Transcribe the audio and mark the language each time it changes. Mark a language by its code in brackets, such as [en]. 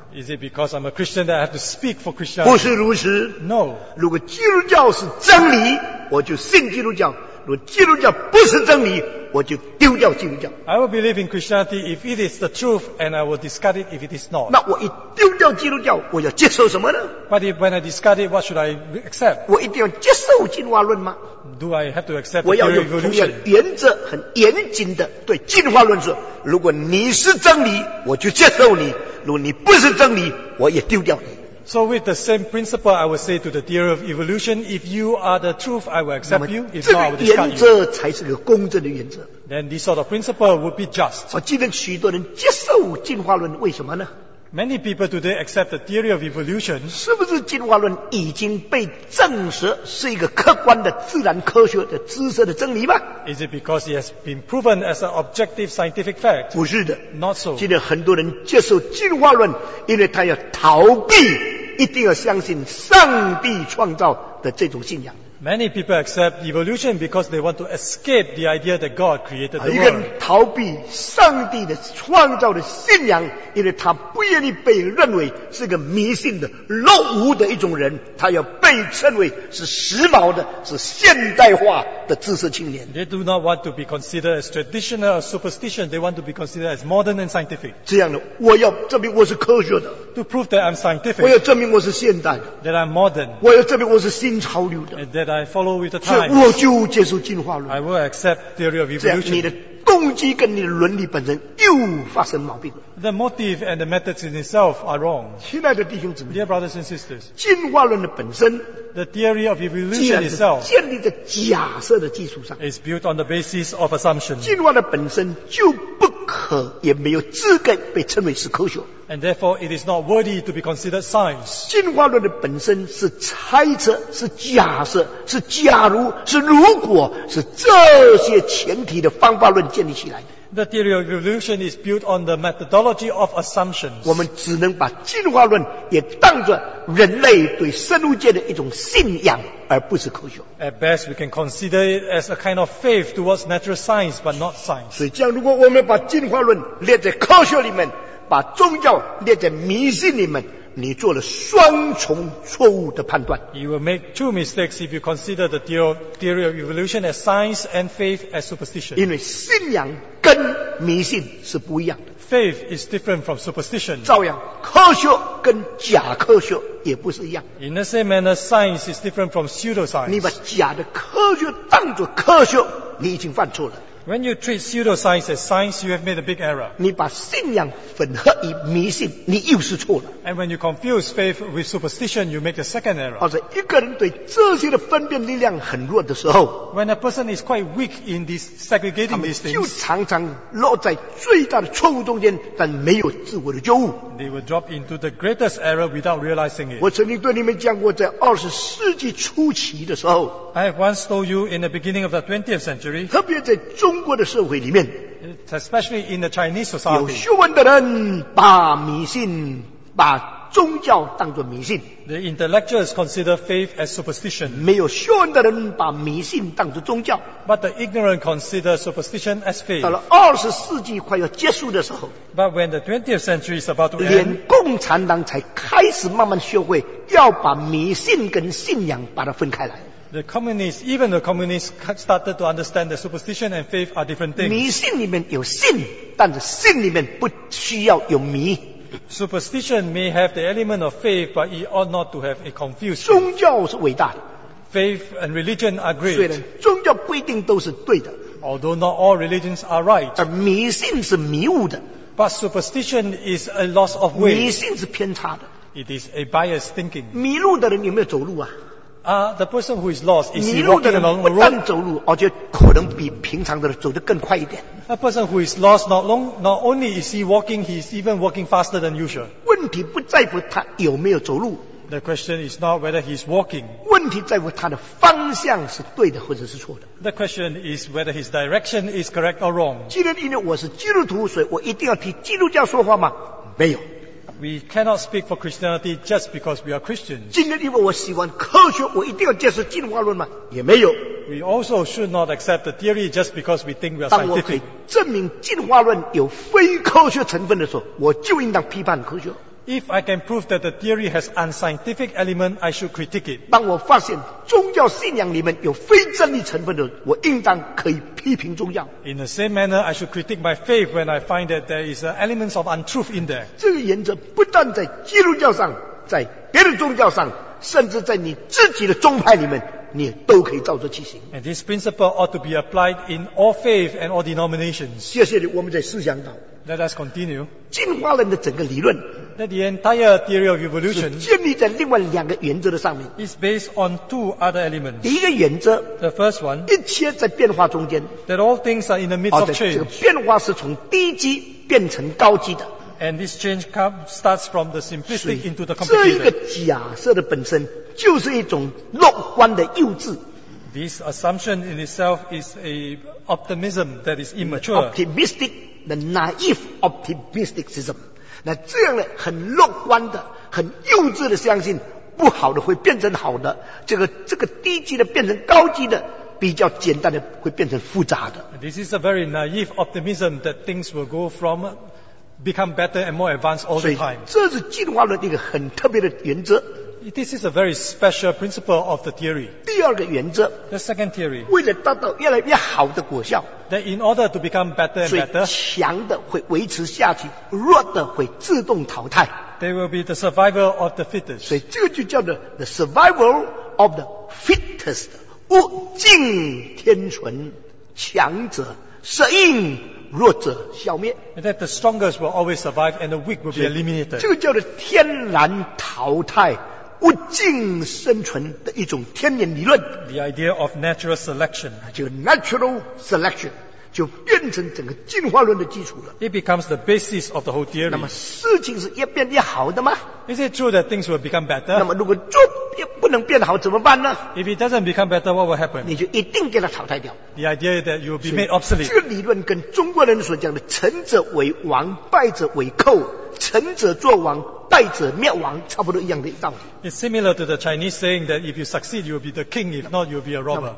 [en] Is it because I'm a Christian that I have to speak for Christianity? [zh] 不是如此。 [en] No. [zh] 如果基督教是真理，我就信基督教； 如基督教不是真理，我就丢掉基督教。 [en] I will believe in Christianity if it is the truth, and I will discard it if it is not. [zh] 那我一丢掉基督教，我要接受什么呢 [en] ？But if, when I discard it, what should I accept? [zh] 我一定要接受进化论吗 [en] ？Do I have to accept? [zh] 我要有同样原则，很严谨的对进化论说：如果你是真理，我就接受你；如果你不是真理，我也丢掉你。 [en] So with the same principle, I would say to the theory of evolution, if you are the truth, I will accept you. If not, I will discard you. [zh] 这个原则才是个公正的原则。 [en] Then this sort of principle would be just. [zh] 我记得许多人接受进化论，为什么呢？ [en] Many people today accept the theory of evolution. [zh] 是不是进化论已经被证实是一个客观的自然科学的知识的真理吗？ [en] Is it because it has been proven as an objective scientific fact? [zh] 不是的。 [en] Not so. [zh] 今天很多人接受进化论，因为他要逃避。一定要相信上帝创造的这种信仰。 [en] Many people accept evolution because they want to escape the idea that God created the world. [zh] 一个人逃避上帝的创造的信仰，因为他不愿意被认为是个迷信的、落伍的一种人，他要被称为是时髦的、是现代化的知识青年。 [en] They do not want to be considered as traditional or superstition. They want to be considered as modern and scientific. [zh] 这样的，我要证明我是科学的。 [en] To prove that I'm scientific. [zh] 我要证明我是现代的。 [en] That I'm modern. [zh] 我要证明我是新潮流的。 [en] That I follow with the times. [zh] 我就接受进化论。 [en] I will accept theory of evolution. [zh] 这样你的动机跟你的伦理本身又发生毛病了。 [en] The motive and the methods in itself are wrong. [zh] 亲爱的弟兄姊妹 [en] ，Dear brothers and sisters, [zh] 进化论的本身 [en] ，The theory of evolution itself, [zh] 建立在假设的基础上 [en] ，is built on the basis of assumption. [zh] 进化的本身就不可也没有资格被称为是科学。 [en] And therefore, it is not worthy to be considered science. [zh] 进化论的本身是猜测，是假设，是假如，是如果，是这些前提的方法论建立起来的。 [en] The theory of evolution is built on the methodology of assumptions. [zh] 我们只能把进化论也当作人类对生物界的一种信仰，而不是科学。 [en] At best, we can consider it as a kind of faith towards natural science, but not science. [zh] 所以这样，如果我们把进化论列在科学里面。把宗教列在迷信里面，你做了双重错误的判断。 [en] You will make two mistakes if you consider the theory of evolution as science and faith as superstition. [zh] 因为信仰跟迷信是不一样的。 [en] Faith is different from superstition. [zh] 照样，科学跟假科学也不是一样。 [en] In the same manner, science is different from pseudoscience. [zh] 你把假的科学当作科学，你已经犯错了。 [en] When you treat pseudoscience as science, you have made a big error. [zh] 你把信仰混合于迷信，你又是错了。 [en] And when you confuse faith with superstition, you make a second error. [zh] 或者一个人对这些的分辨力量很弱的时候 [en] ，When a person is quite weak in this segregating these things, [zh] 他们就常常落在最大的错误中间，但没有自我的觉悟。 [en] They will drop into the greatest error without realizing it. [zh] 我曾经对你们讲过，在二十世纪初期的时候 [en] ，I have once told you in the beginning of the 20th century, [zh] 特别在中国的社会里面 [en] ，especially in the Chinese society， [zh] 有学问的人把迷信、把宗教当作迷信 [en] ；the intellectuals consider faith as superstition， [zh] 没有学问的人把迷信当作宗教 [en] ；but the ignorant consider superstition as faith。 [zh] 到了二十世纪快要结束的时候 [en] ，but when the 20th century is about to end， [zh] 连共产党才开始慢慢学会要把迷信跟信仰把它分开来。 [en] The communists, even the communists started to understand that superstition and faith are different things. [zh] 迷信里面有信，但是信里面不需要有迷。 [en] Superstition may have the element of faith, but it ought not to have a confusion. [zh] 宗教是伟大的。 [en] Faith and religion are great. [zh] 虽然宗教不一定都是对的。 [en] Although not all religions are right. [zh] 而迷信是迷误的。 [en] But superstition is a loss of way. [zh] 迷信是偏差的。 [en] It is a biased thinking. [zh] 迷路的人有没有走路啊？ [en] The person who is lost is walking along the road. [zh] 不但走路，而且可能比平常的人走得更快一点。 [en] A person who is lost not only is he walking, he is even walking faster than usual. [zh] 问题不在乎他有没有走路。 [en] The question is not whether he is walking. [zh] 问题在乎他的方向是对的或者是错的。 [en] The question is whether his direction is correct or wrong. [zh] 既然因为我是基督徒，所以我一定要替基督教说话吗？没有。 [en] We cannot speak for Christianity just because we are Christians. [zh] 今天因为我喜欢科学，我一定要接受进化论吗？也没有。 [en] We also should not accept the theory just because we think we are scientific. [zh] 当我可以证明进化论有非科学成分的时候，我就应当批判科学。 [en] If I can prove that the theory has unscientific element, I should critique it. [zh] 当我发现宗教信仰里面有非真理成分的，我应当可以批评宗教。 [en] In the same manner, I should critique my faith when I find that there is elements of untruth in there. [zh] 这个原则不但在基督教上，在别的宗教上，甚至在你自己的宗派里面，你都可以照着去行。 [en] And this principle ought to be applied in all faith and all denominations. [zh] 谢谢你，我们再思想到。 [en] Let us continue. [zh] 进化论的整个理论。 [en] That the entire theory of evolution [zh] 是建立在另外两个原则的上面。 [en] Is based on two other elements. [zh] 第一个原则。 [en] The first one. [zh] 一切在变化中间。 [en] That all things are in the midst of change. [zh] 这个变化是从低级变成高级的。 [en] And this change starts from the simplistic into the complicated. [zh] 这一个假设的本身就是一种乐观的幼稚。 [en] This assumption in itself is an optimism that is immature. Optimistic, the naive optimisticism. [zh] 那这样的很乐观的、很幼稚的相信，不好的会变成好的，这个低级的变成高级的。比较简单的会变成复杂的。 [en] This is a very naive optimism that things will go from become better and more advanced all the time. [zh] 这是进化论一个很特别的原则。 [en] This is a very special principle of the theory. [zh] 第二个原则。 [en] The second theory. [zh] 为了达到越来越好的果效。 [en] That in order to become better and better. [zh] 所以强的会维持下去，弱的会自动淘汰。 [en] They will be the survival of the fittest. [zh] 所以这个就叫做 [en] the survival of the fittest. [zh] 物竞天存，强者适应，弱者消灭。 [en] And that the strongest will always survive, and the weak will be eliminated. [zh] 这个叫做天然淘汰、物竞生存的一种天然理论。 [en] The idea of natural selection. [zh] 就 natural selection 就变成整个进化论的基础了。 [en] It becomes the basis of the whole theory. [zh] 那么事情是越变越好的吗 [en] ？Is it true that things will become better? [zh] 那么如果做不能变好怎么办呢 [en] ？If it doesn't become better, what will happen? [zh] 你就一定给它淘汰掉。 [en] The idea that you will be made obsolete. [zh] 这个理论跟中国人所讲的“成者为王，败者为寇；成者作王，败者灭亡”差不多一样的道理。 [en] It's similar to the Chinese saying that if you succeed, you will be the king; if not, you will be a robber.